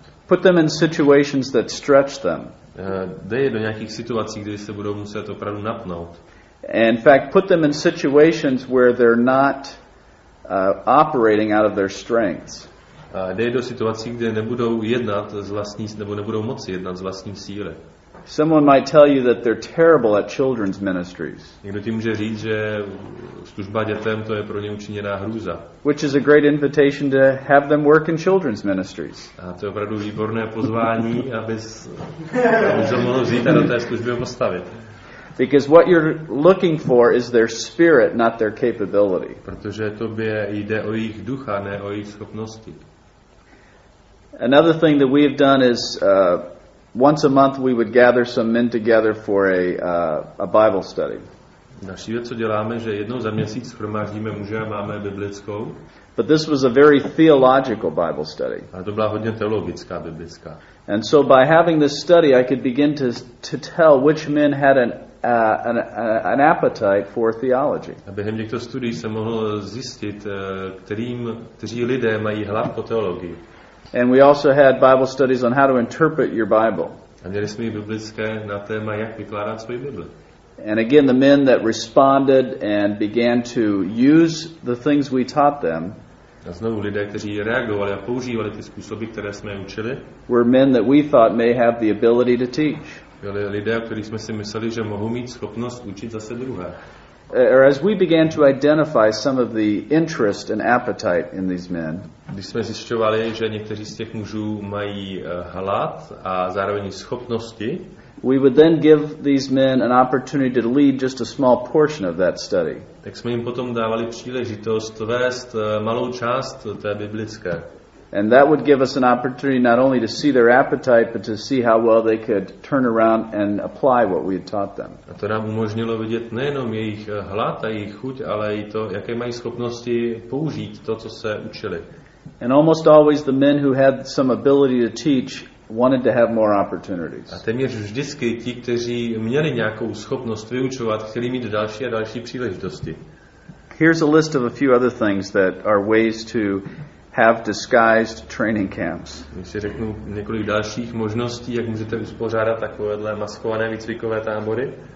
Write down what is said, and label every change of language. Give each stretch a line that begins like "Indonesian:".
English: Put them in situations that stretch them.
Czech: Dej je do nějakých situací, kde se budou muset opravdu napnout.
English: And in fact, put them in situations where they're not operating out of their strengths.
Czech: Dej do situací, kde nebudou jednat z vlastní, nebo nebudou moci jednat z vlastní síly.
English: Someone might tell you that they're terrible at children's ministries.
Czech: Někdo ti může říct, že služba dětem to je pro ně učiněná hrůza.
English: Which is a great invitation to have them work in children's ministries.
Czech: A to je opravdu výborné pozvání, abys mohl vzít a do té služby postavit.
English: Because what you're looking for is their spirit, not their capability.
Czech: Protože tobě jde o jejich ducha, ne o jejich schopnosti.
English: Another thing that we have done is once a month we would gather some men together for a Bible study.
Czech: Další věc, co děláme, že jednou za měsíc shromáždíme muže a máme biblickou.
English: But this was a very theological Bible study.
Czech: A to byla hodně teologická biblická.
English: And so by having this study I could begin to tell which men had an appetite for theology.
Czech: A během těchto studií se mohlo zjistit, kteří lidé mají hlad po teologii.
English: And we also had Bible studies on how to interpret your Bible.
Czech: A měli jsme biblické na téma, jak vykládat svoji Bibli.
English: And again, the men that responded and began to use the things we taught them.
Czech: A znovu lidé, kteří reagovali a používali ty způsoby, které jsme učili.
English: Were men that we thought may have the ability to teach.
Czech: Byli lidé, o kterých jsme si mysleli, že mohou mít schopnost učit zase druhé.
English: Or as we began to identify some of the interest and appetite in these men.
Czech: Když jsme zjišťovali, že někteří z těch mužů mají hlad a zároveň schopnosti.
English: We would then give these men an opportunity to lead just a small portion of that study.
Czech: Tak jsme jim potom dávali příležitost vést malou část té biblické.
English: And that would give us an opportunity not only to see their appetite, but to see how well they could turn around and apply what we had taught them.
Czech: A to nám umožnilo vidět nejenom jejich hlad a jejich chuť, ale i to, jaké mají schopnosti použít to, co se učili.
English: And almost always the men who had some ability to teach wanted to have more opportunities.
Czech: A téměř vždycky ti, kteří měli nějakou schopnost vyučovat, chtěli mít další a další příležitosti.
English: Here's a list of a few other things that are ways to have disguised training camps.
Czech: Když si řeknu několik dalších možností, jak můžete uspořádat takovéhle maskované výcvikové tábory.